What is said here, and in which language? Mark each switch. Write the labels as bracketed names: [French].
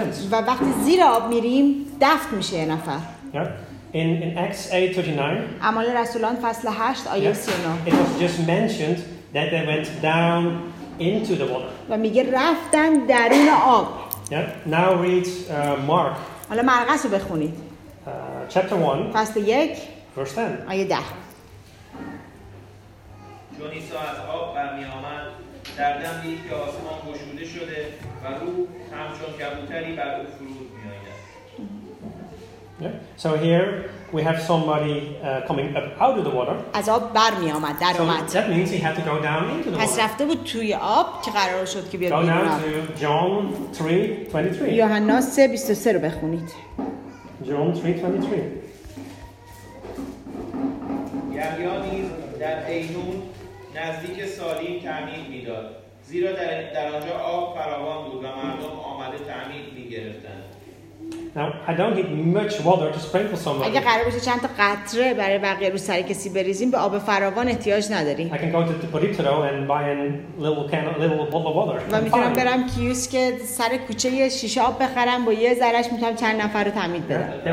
[Persian] و وقتی زیر آب میریم دفن میشه یه نفر. [English] In Acts 8:39. [Persian] اعمال رسولان فصل 8 آیه 39. [English] It was just mentioned that they went down into the water. [Persian] و میگه رفتن درون آب. [English] Now read Mark. [Persian] حالا مرقس رو بخونید. [English] Chapter 1. [Persian] فصل 1. [English] Verse 10. [Persian] آیه 10. چون عیسی از آب برمی آمد، در دم دید که آسمان گشوده شده و روح همچون کبوتری بر او فرود می آید. [English] So here we have somebody coming up out of the water. [Persian] از آب بر می آمد، در آمد. [English] So that means he had to go down into the water. [Persian] پس رفته بود توی آب که قرار شد که بیاد بیرون. [English] Go down to John 3:23. [Persian] یوحنا 3:23 رو بخونید. [English] John 3:23. [Persian] یحیی نیز در عینون نزدیک سالیم تعمید می‌داد، زیرا در آنجا آب فراوان بود و مردم آمده تعمید می‌گرفتند. [English] Now I don't need much water to sprinkle somebody. [Persian] اگه قرار باشه چند تا قطره برای بقیه رو سر کسی بریزیم به آب فراوان احتیاج نداری. [English] I can go to the Potipotro and buy a little bottle of water. [Persian] من میتونم برم کیوسک سر کوچه یه شیشه آب بخرم، با یه ذرهش میتونم چند نفر رو تعمید بدم.